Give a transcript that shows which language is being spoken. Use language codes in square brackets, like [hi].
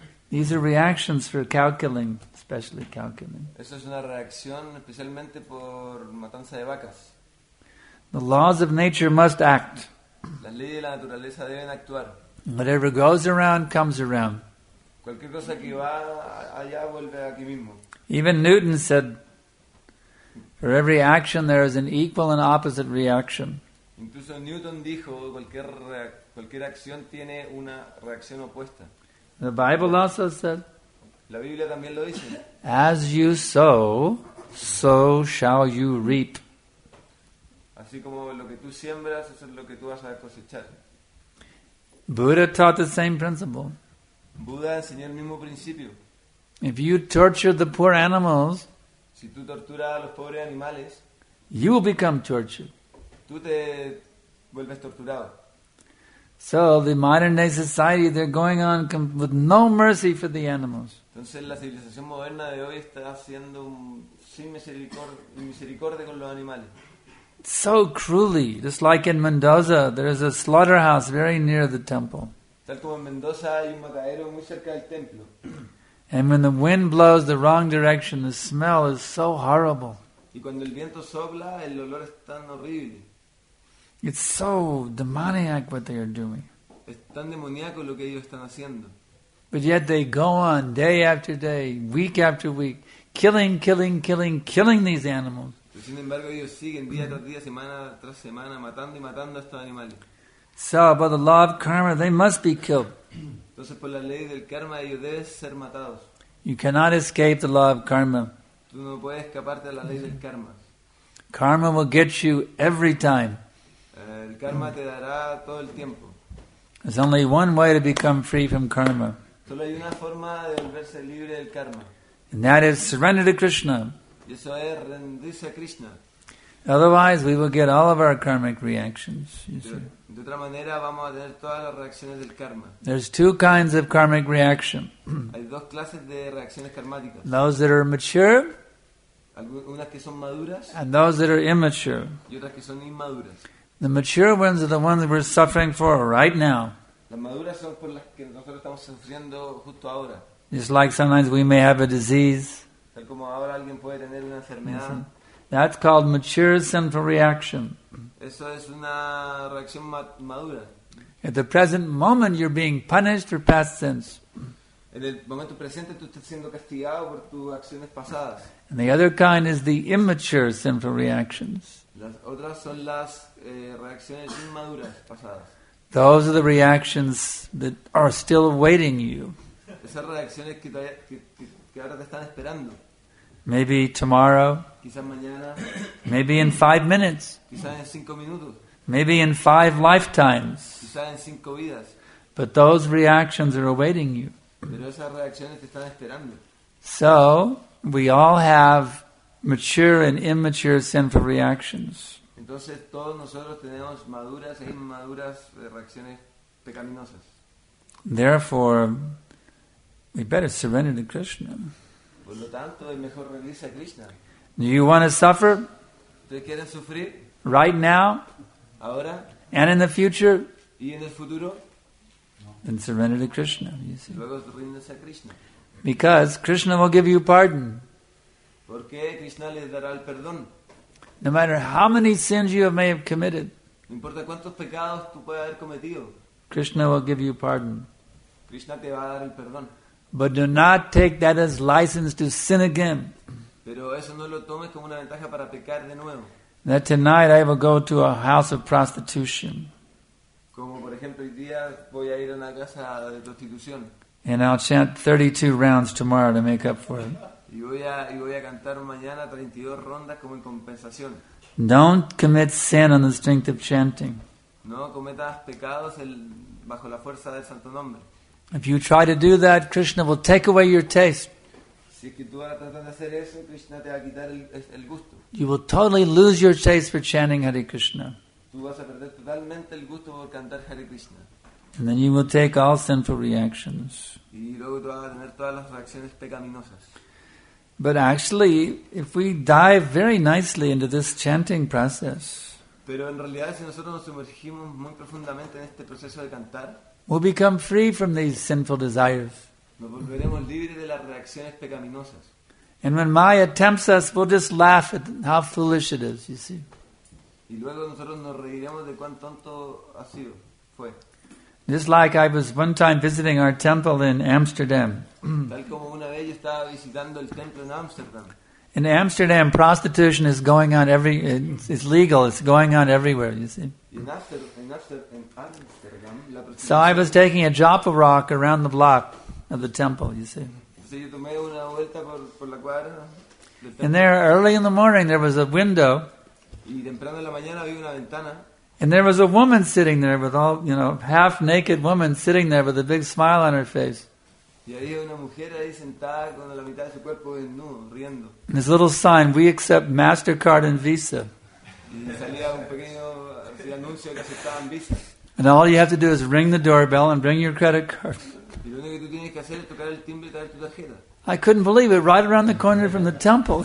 [en] These are reactions for cow killing, especially cow killing. [es] Esa es una reacción especialmente por matanza de vacas. [en] The laws of nature must act. [es] Las leyes de la naturaleza deben actuar. [en] Whatever goes around comes around. [es] Cualquier cosa que va allá vuelve aquí mismo. [en] Even Newton said, for every action, there is an equal and opposite reaction. [es] Incluso Newton dijo, cualquier acción tiene una reacción opuesta. [en] The Bible also said, [es] la Biblia también lo dice. [en] As you sow, so shall you reap. [es] Así como lo que tú siembras, eso es lo que tú vas a cosechar. [en] Buddha taught the same principle. [es] Buda enseñó el mismo principio. [en] If you torture the poor animals, [es] si tú torturas a los pobres animales, [en] you will become tortured. [es] Tú te vuelves torturado. [en] So the modern day society, they're going on with no mercy for the animals. [es] Entonces la civilización moderna de hoy está haciendo sin misericordia con los animales. [en] So cruelly, just like in Mendoza, there is a slaughterhouse very near the temple. [es] Tal como en Mendoza hay un matadero muy cerca del templo. [en] And when the wind blows the wrong direction, the smell is so horrible. [es] Y cuando el viento sopla, el olor es tan horrible. [en] It's so demoniac what they are doing. [es] Es tan demoníaco lo que ellos están haciendo. [en] But yet they go on day after day, week after week, killing, killing, killing, killing these animals. [es] Pero sin embargo, ellos siguen día tras día, semana tras semana, matando y matando a estos animales. [en] So, by the law of karma, they must be killed. [es] Entonces, por la ley del karma, ellos deben ser matados. [en] You cannot escape the law of karma. [es] Tú no puedes escaparte de la ley del karma. [en] Karma will get you every time. [es] El karma te dará todo el tiempo. [en] There's only one way to become free from karma. [es] Solo hay una forma de volverse libre del karma. [en] And that is surrender to Krishna. [es] Eso es rendirse a Krishna. [en] Otherwise, we will get all of our karmic reactions. [es] De otra manera, vamos a tener todas las reacciones del karma. [en] There's two kinds of karmic reaction. [es] Hay dos clases de reacciones karmáticas. [en] Those that are mature. [es] Unas que son maduras. [en] And those that are immature. [es] Y otras que son inmaduras. [en] The mature ones are the ones we're suffering for right now. [es] Las maduras son por las que nosotros estamos sufriendo justo ahora. [en] Just like sometimes we may have a disease. [es] Tal como ahora alguien puede tener una enfermedad. [en] That's called mature sinful reaction. [es] Eso es una reacción madura. [en] At the present moment, you're being punished for past sins. [es] En el momento presente, tú estás siendo castigado por tus acciones pasadas. [en] And the other kind is the immature sinful reactions. [es] Las otras son las reacciones inmaduras pasadas. [en] Those are the reactions that are still awaiting you. [es] Esas reacciones que todavía que ahora te están esperando. [en] Maybe tomorrow. [es] Quizás mañana. [en] Maybe in 5 minutes. [es] Quizás en 5 minutos. [en] Maybe in 5 lifetimes. [es] Quizás en 5 vidas. [en] But those reactions are awaiting you. [es] Pero esas reacciones te están esperando. [en] So we all have mature and immature sinful reactions. [es] Entonces todos nosotros tenemos maduras e inmaduras reacciones pecaminosas. [en] Therefore, we better surrender to Krishna. [es] Por lo tanto, es mejor rendirse a Krishna. [en] Do you want to suffer? [es] ¿Te quieres sufrir? [en] Right now? [es] Ahora? [en] And in the future? [es] ¿Y en el futuro? [en] Then surrender to Krishna, you see. [es] Luego rindes a Krishna. [en] Because Krishna will give you pardon. [es] Porque Krishna les dará el perdón. [en] No matter how many sins you may have committed, [es] no importa cuántos pecados tú puedas haber cometido, [en] Krishna will give you pardon. [es] Krishna te va a dar el perdón. [en] But do not take that as license to sin again. [es] Pero eso no lo tomes como una ventaja para pecar de nuevo. [en] That tonight I will go to a house of prostitution. [es] Como por ejemplo hoy día voy a ir a una casa de prostitución. [en] And I'll chant 32 rounds tomorrow to make up for it. [es] Y voy a cantar mañana 32 rondas como en compensación. [en] Don't commit sin on the strength of chanting. [es] No cometas pecados bajo la fuerza del santo nombre. [en] If you try to do that, Krishna will take away your taste. [es] Si es que tú vas a tratar de hacer eso, Krishna te va a quitar el gusto. [en] You will totally lose your taste for chanting Hare Krishna. [es] Tú vas a perder totalmente el gusto por cantar Hare Krishna. [en] And then you will take all sinful reactions. [es] Y luego tú vas a tener todas las reacciones pecaminosas. [en] But actually, if we dive very nicely into this chanting process, [es] pero en realidad si nosotros nos sumergimos muy profundamente en este proceso de cantar, [en] we'll become free from these sinful desires. [es] Nos volveremos libres de las reacciones pecaminosas. [en] And when Maya tempts us, we'll just laugh at how foolish it is, you see. [es] Y luego nosotros nos reiremos de cuán tonto ha sido, fue. [en] Just like I was one time visiting our temple in Amsterdam. [es] Tal como una vez yo estaba visitando el templo en Amsterdam. [en] In Amsterdam, prostitution is going on it's legal, it's going on everywhere, you see. [es] In Amsterdam, la prostitución. [en] So I was taking a Joppa rock around the block of the temple, you see. [es] Sí, yo tomé una vuelta por la cuadra del templo. [en] And there, early in the morning, there was a window. [es] Y temprano en la mañana había una ventana. [en] And there was a woman sitting there with all, you know, half naked woman sitting there with a big smile on her face. [es] Y había una mujer ahí sentada con la mitad de su cuerpo desnudo, riendo. [en] And this little sign, we accept MasterCard and Visa. [es] Y salía un pequeño anuncio que aceptaban Visa. [en] And all you have to do is ring the doorbell and bring your credit card. [es] Y lo único que tú tienes que hacer es tocar el timbre y traer tu tarjeta. [en] I couldn't believe it, right around the corner from the temple.